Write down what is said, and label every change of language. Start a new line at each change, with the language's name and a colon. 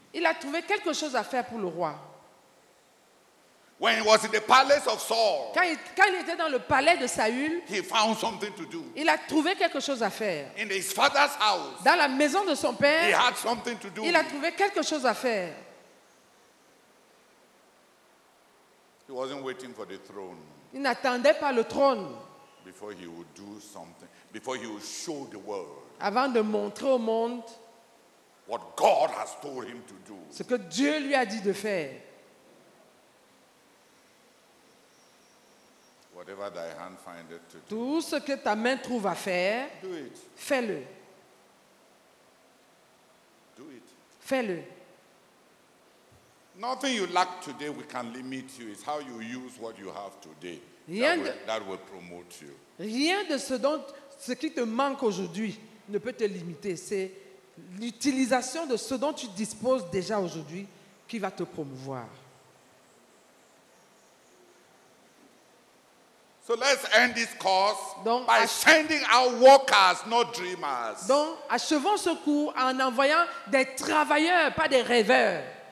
French: Il a trouvé quelque chose à faire pour le roi.
English: When he was in the palace of Saul,
French: quand il était dans le palais de Saül,
English: he found something to do.
French: Il a trouvé quelque chose à faire.
English: In his father's house,
French: dans la maison de son père,
English: he had something to do.
French: Il a trouvé quelque chose à faire.
English: He wasn't waiting for the throne.
French: Il n'attendait pas le trône.
English: Before he would do something, before he would show the world.
French: Avant de montrer au monde
English: what God has told him to do.
French: Ce que Dieu lui a dit de faire.
English: Whatever thy hand findeth to do.
French: Tout ce que ta main trouve à faire,
English: do it.
French: Fais-le.
English: Do it.
French: Fais-le.
English: Nothing you lack today we can limit you. It's how you use what you have today that will promote you.
French: Rien de ce qui te manque aujourd'hui ne peut te limiter. C'est l'utilisation de ce dont tu disposes déjà aujourd'hui qui va te promouvoir.
English: So let's end this course by sending out workers, not dreamers.
French: Donc, achevons ce cours en envoyant des travailleurs, pas des rêveurs.